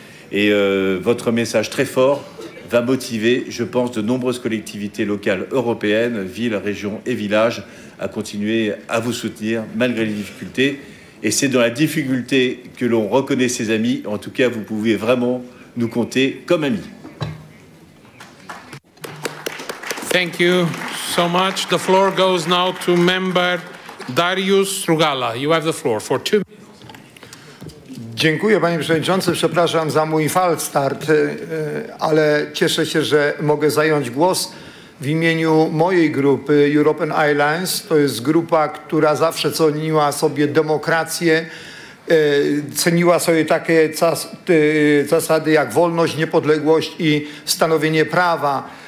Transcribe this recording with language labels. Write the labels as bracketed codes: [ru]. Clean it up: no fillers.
[fr] Et votre message très fort va motiver, je pense, de nombreuses collectivités locales européennes, villes, régions et villages, à continuer à vous soutenir malgré les difficultés. Et c'est dans la difficulté que l'on reconnaît ses amis. En tout cas, vous pouvez vraiment nous compter comme amis. [en] Thank you so much. The floor goes now to member Darius Rugala. You have the floor for 2 minutes. [pl] Dziękuję, panie przewodniczący. Przepraszam za mój falstart, ale cieszę się, że mogę zająć głos w imieniu mojej grupy European Islands. To jest grupa, która zawsze ceniła sobie demokrację, ceniła sobie takie zasady jak wolność, niepodległość i stanowienie prawa.